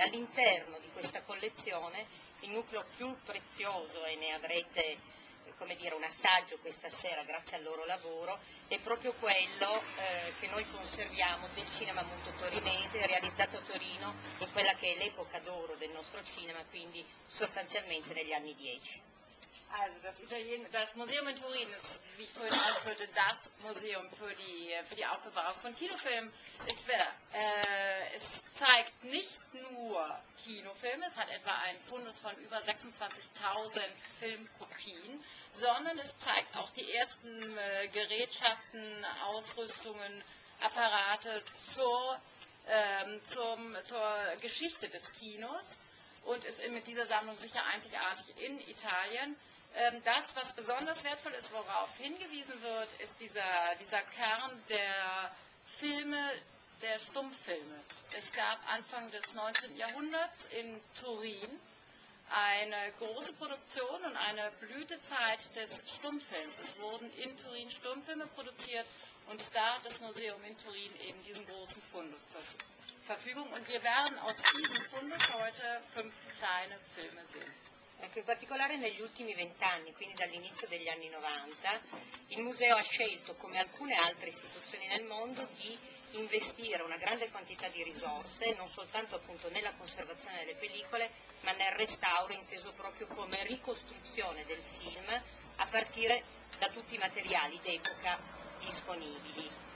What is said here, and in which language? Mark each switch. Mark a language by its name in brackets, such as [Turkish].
[Italian] All'interno di questa collezione, il nucleo più prezioso, e ne avrete, come dire, un assaggio questa sera grazie al loro lavoro, è proprio quello che noi conserviamo del cinema muto torinese, realizzato a Torino in quella che è l'epoca d'oro del nostro cinema, quindi sostanzialmente negli anni 10. [German] Also das Museum in Turin ist, wie ich vorhin ausführte, das Museum für die Aufbewahrung von Kinofilmen. Es zeigt nicht nur Kinofilme, es hat etwa einen Fundus von über 26.000 Filmkopien, sondern es zeigt auch die ersten Gerätschaften, Ausrüstungen, Apparate zur Geschichte des Kinos und ist mit dieser Sammlung sicher einzigartig in Italien. Das, was besonders wertvoll ist, worauf hingewiesen wird, ist dieser Kern der Filme, der Stummfilme. Es gab Anfang des 19. Jahrhunderts in Turin eine große Produktion und eine Blütezeit des Stummfilms. Es wurden in Turin Stummfilme produziert und da hat das Museum in Turin eben diesen großen Fundus zur Verfügung. Und wir werden aus diesem Fundus heute 5 kleine Filme sehen. [Italian] Ecco, in particolare negli ultimi 20 anni, quindi dall'inizio degli anni 90, il museo ha scelto, come alcune altre istituzioni nel mondo, di investire una grande quantità di risorse, non soltanto appunto nella conservazione delle pellicole, ma nel restauro inteso proprio come ricostruzione del film a partire da tutti i materiali d'epoca disponibili.